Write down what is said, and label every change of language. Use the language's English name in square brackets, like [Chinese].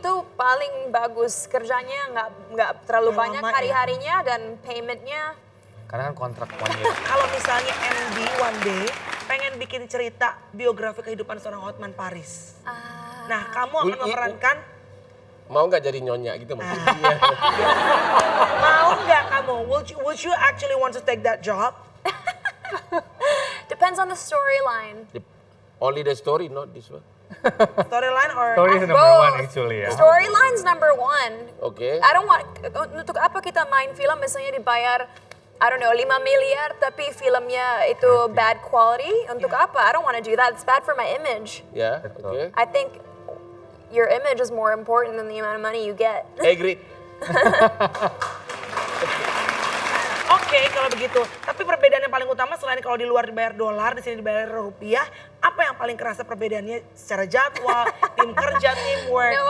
[Indonesian] Itu paling bagus, kerjanya nggak terlalu banyak hari-harinya dan paymentnya. Karena kan kontrak [English] one year. [Indonesian] Kalau misalnya MD [English] one day [Indonesian] pengen bikin cerita biografi kehidupan seorang Hotman Paris. Nah kamu akan memerankan. Mau nggak jadi nyonya gitu maksudnya? Mau nggak kamu? [English] Would you actually want to take that job? Depends on the storyline. Only the story, not this one. Storyline or story is number both. One actually. Yeah. Storyline's number one. Okay. I don't want [Indonesian] untuk apa kita main film misalnya dibayar [English] I don't know [Indonesian] 5 miliar tapi filmnya itu [English] bad quality [Indonesian] untuk yeah. apa? [English] I don't want to do that. It's bad for my image. Yeah. Okay. I think. Your image is more important than the amount of money you get. Agreed. [Indonesian] Okay, kalau begitu. Tapi perbedaan yang paling utama selain kalau di luar dibayar dolar, di sini dibayar rupiah, apa yang paling kerasa perbedaannya secara jadwal, tim kerja, teamwork?